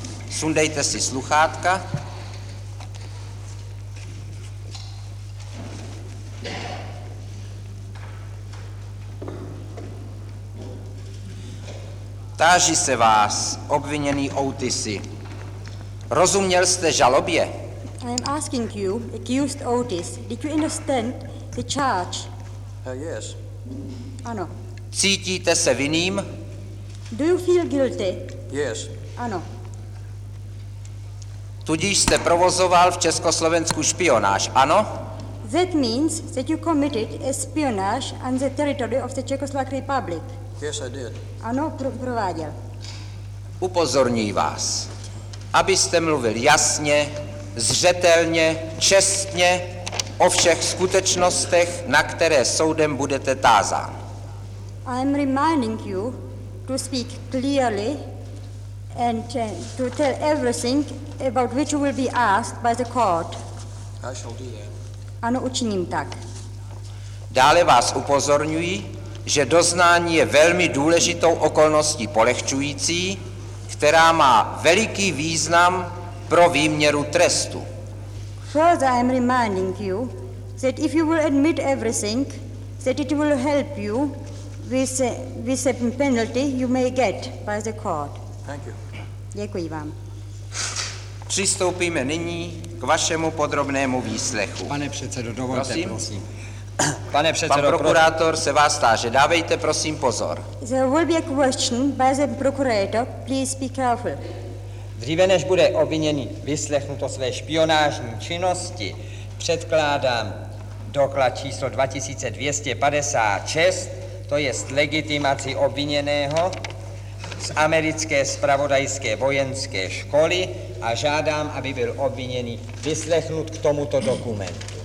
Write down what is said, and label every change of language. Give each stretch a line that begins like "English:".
Czech: Sundejte si sluchátka. Táži se vás, obviněný Otisi. Rozuměl jste žalobě?
English: I am asking you, accused Otis, did you understand the charge? Yes.
Czech: Ano. Cítíte se vinným?
English: Do you feel guilty? Yes.
Czech: Ano. Tudíž jste provozoval v Československu špionáž, ano?
English: That means that you committed a espionage on the territory of the Czechoslovak Republic. Yes, I did.
Czech: Ano, prováděl. Upozorňuji vás, abyste mluvil jasně, zřetelně, čestně o všech skutečnostech, na které soudem budete tázán.
English: I am reminding you to speak clearly and to tell everything about which you will be asked by the court. I shall do that.
Czech: Ano, učiním tak. Dále vás upozorňuji, že doznání je velmi důležitou okolností polehčující, která má veliký význam pro výměru trestu.
English: Further, I am reminding you that if you will admit everything, that it will help you with the penalty you may get by the court. Thank you.
Czech: Děkuji vám. Přistoupíme nyní k vašemu podrobnému výslechu. Pane předsedo, dovolte, prosím. Pane předsedo, pan prokurátor se vás táže. Dávejte prosím pozor.
English: There will be a question by the procurator. Please be careful.
Czech: Dříve než bude obviněný vyslechnuto své špionážní činnosti, předkládám doklad číslo 2256, to jest legitimaci obviněného z americké zpravodajské vojenské školy a žádám, aby byl obviněný vyslechnut k tomuto dokumentu.